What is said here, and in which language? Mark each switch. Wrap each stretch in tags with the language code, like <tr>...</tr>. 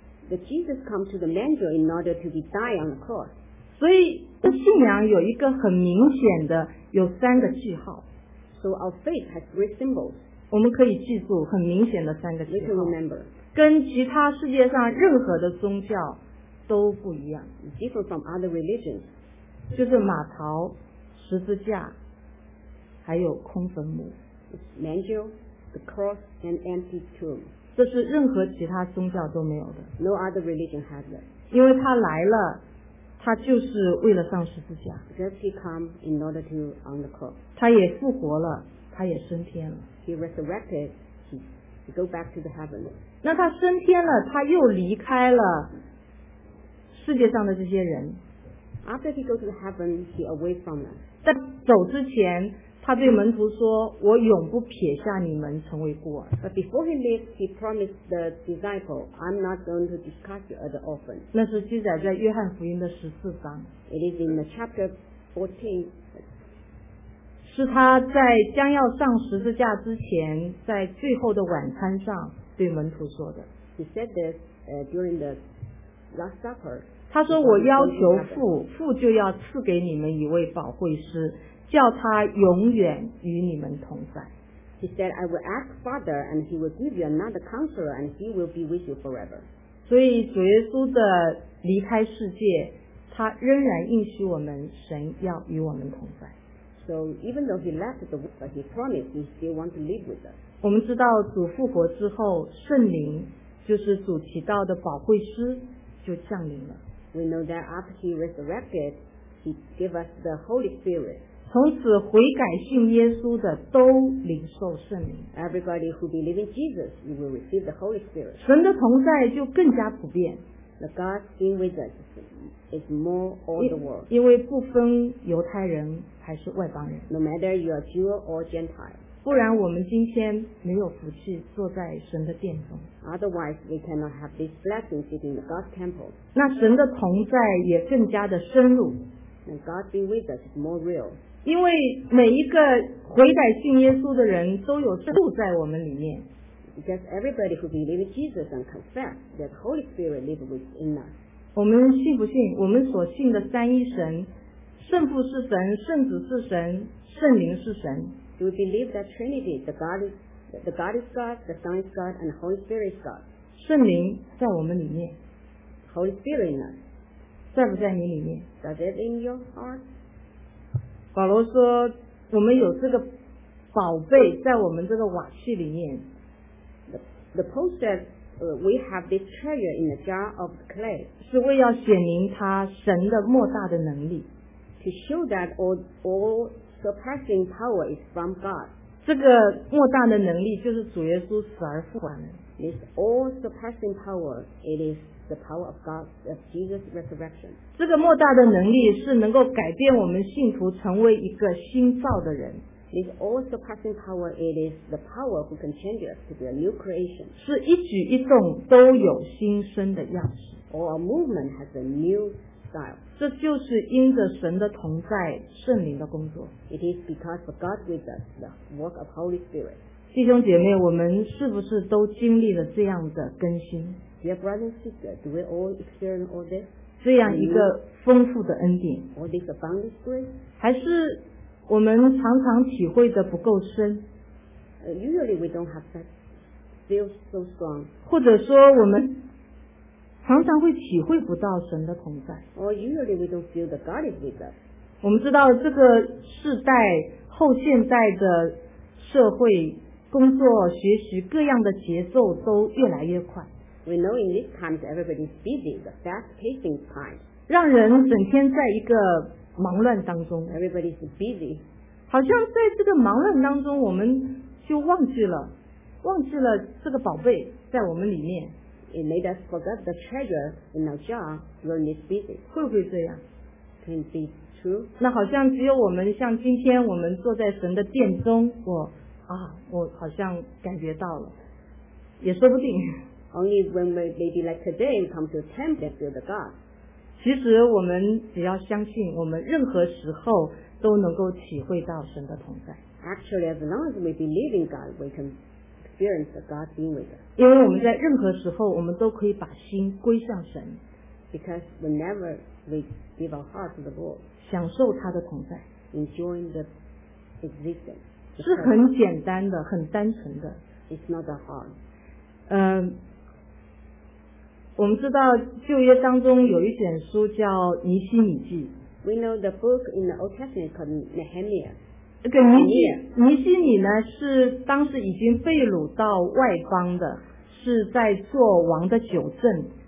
<en>The Jesus come to the manger in order to be die on the cross.</en> <zh>所以信仰有一个很明显的，有三个记号。</zh> <en>So our faith has three symbols.</en> <zh>我们可以记住很明显的三个记号。</zh> <en>We can remember.</en> <zh>跟其他世界上任何的宗教都不一样。</zh> <en>Different from other religions.</en> <zh>就是马槽、十字架，还有空坟墓。</zh> <en>It's manger, the cross, and empty tomb.</en> <zh>这是任何其他宗教都没有的。</zh> <en>No other religion has it.</en> <zh>因为他来了。他就是为了上十字架。</zh> <en>Because he came in order to on the cross.</en> <zh>他也复活了，他也升天了。</zh> <en>He resurrected. He go back to the heaven.</en> <zh>那他升天了，他又离开了世界上的这些人。</zh> <en>After he go to the heaven, he away from them.</en> <zh>在走之前，他对门徒说：“我永不撇下你们，成为孤儿。”</zh> <en>But before he left, he promised the disciple, "I'm not going to discuss you as an orphan."</en> <zh>那是记载在约翰福音的十四章。</zh> <en>It is in the chapter 14.</en> <zh>是他在将要上十字架之前，在最后的晚餐上对门徒说的。</zh> <en>He said this during the last supper.</en> <zh>他说：“我要求父，父就要赐给你们一位保惠师。” 叫他永远与你们同在。</zh> <en>He said, "I will ask Father, and He will give you another Counselor, and He will be with you forever."</en> <zh>所以主耶稣的离开世界，他仍然应许我们，神要与我们同在。</zh> <en>So even though He left the world, He promised He still want to live with us.</en> <zh>我们知道主复活之后，圣灵就是主提到的保惠师就降临了。</zh> <en>We know that after He resurrected, He gave us the Holy Spirit.</en> <zh>从此悔改信耶稣的都领受圣灵。</zh> <en>Everybody who believes in Jesus, you will receive the Holy Spirit.</en> <zh>神的同在就更加普遍。</zh> <en>The God being with us is more all the world.</en> <zh>因为不分犹太人还是外邦人。</zh> <en>No matter you are Jew or Gentile.</en> <zh>不然我们今天没有福气坐在神的殿中。</zh> <en>Otherwise, we cannot have this blessing sitting in God's temple.</en> <zh>那神的同在也更加的深入。</zh> <en>And God being with us is more real.</en> <zh>因为每一个悔改信耶稣的人都有住在我们里面。</zh> <en>Because everybody who believes in Jesus and confess that Holy Spirit lives within us.</en> <zh>我们信不信？我们所信的三一神，圣父是神，圣子是神，圣灵是神。</zh> <en>Do we believe that Trinity, the God is God, the Son is God, and the Holy Spirit is God?</en> <zh>圣灵在我们里面。</zh> <en>Holy Spirit in us.</en> <zh>在不在你里面？</zh> <en>Does it in your heart?</en> <zh>保罗说，我们有这个宝贝在我们这个瓦器里面。</zh> <en>The Paul said, we have this treasure in the jar of clay.</en> <zh>是为要显明他神的莫大的能力。</zh> <en>To show that all surpassing power is from God.</en> <zh>这个莫大的能力就是主耶稣死而复活。</zh> <en>This all surpassing power, it is. The power of God, of Jesus' resurrection.</en> <zh>这个莫大的能力是能够改变我们信徒成为一个新造的人。</zh> <en>This all surpassing power, it is the power who can change us to be a new creation.</en> <zh>是一举一动都有新生的样式。</zh> <en>Or a movement has a new style.</en> <zh>这就是因着神的同在，圣灵的工作。</zh> <en>It is because of God with us, the work of Holy Spirit.</en> <zh>弟兄姐妹，我们是不是都经历了这样的更新？</zh> <en>Dear brothers and sisters, do we all experience all this?</en> <zh>这样一个丰富的恩典。</zh> <en>All this abundant grace?</en> <zh>还是我们常常体会的不够深。</zh> <en>Usually we don't have that feel so strong.</en> <zh>或者说我们常常会体会不到神的同在。</zh> <en>Or usually we don't feel that God is with us.</en> <zh>我们知道这个世代，后现代的社会，工作、学习，各样的节奏都越来越快。</zh> <en>We know in these times everybody's busy, the fast-paced time.</en> <zh>让人整天在一个忙乱当中。</zh> <en>Everybody's busy.</en> <zh>好像在这个忙乱当中我们就忘记了，忘记了这个宝贝在我们里面。</zh> <en>It made us forget the treasure in our jar when it's busy.</en> <zh>会不会这样？</zh> <en>Can be true.</en> <zh>那好像只有我们像今天我们坐在神的殿中，我好像感觉到了，也说不定。</zh> <en>Only when we maybe like today come to temple to the God.</en> <zh>其实我们只要相信，我们任何时候都能够体会到神的同在。</zh> <en>Actually, as long as we believe in God, we can experience the God being with us.</en> <zh>因为我们在任何时候，我们都可以把心归向神。</zh> <en>Because whenever we give our heart to the Lord,</en> <zh>享受他的同在</zh> <en>，enjoying the existence.</en> <zh>是很简单的，很单纯的。</zh> <en>It's not that hard.</en> <zh>我们知道旧约当中有一卷书叫尼希米记。</zh> <en>We know the book in the Old Testament called Nehemiah.</en> <zh>这个尼希米呢是当时已经被掳到外邦的，是在做王的酒政。</zh>